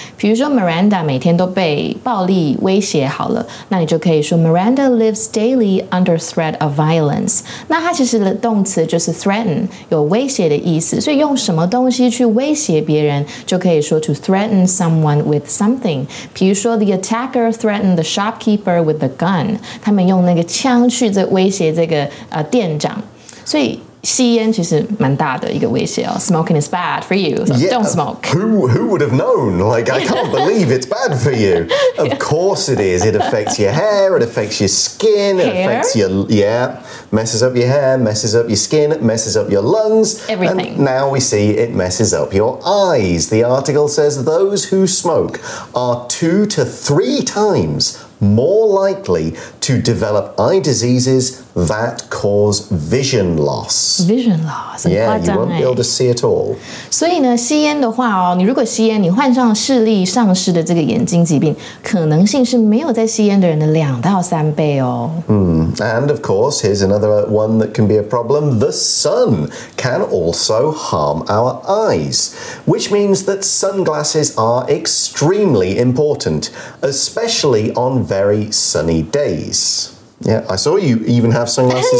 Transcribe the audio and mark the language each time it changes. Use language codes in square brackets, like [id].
[zh] 比如说 Miranda 每天都被暴力威胁好了，那你就可以说 [en] Miranda lives daily under threat of violence。 [zh] 那它其实的动词就是 threaten， 有威胁的意思。所以用什么东西去威胁别人，就可以说 [en] to threaten someone with something。 [zh] 比如说 [en] the attacker threatened the shopkeeper with the gun. [zh] 他们用那个枪去威胁这个店长。所以吸烟其实蛮大的一个威胁哦。 [en] Smoking is bad for you. So yeah, don't smoke. Who would have known? Like, I can't believe it's bad for you. Of course it is. It affects your hair. It affects your skin. Hair? It affects your, yeah. Messes up your hair. Messes up your skin. Messes up your lungs. Everything. And now we see it messes up your eyes. The article says those who smoke are 2 to 3 times more likely to develop eye diseases that cause vision loss. Vision loss, yeah, you won't be able to see at all. [zh] 所以呢，吸烟的话哦，你如果吸烟，你患上视力丧失的这个眼睛疾病，可能性是没有在吸烟的人的2到3倍哦。 [en] And of course, here's another one that can be a problem. The sun can also harm our eyes, which means that sunglasses are extremely important, especially on very sunny days. Yeah, I saw you even have sunglasses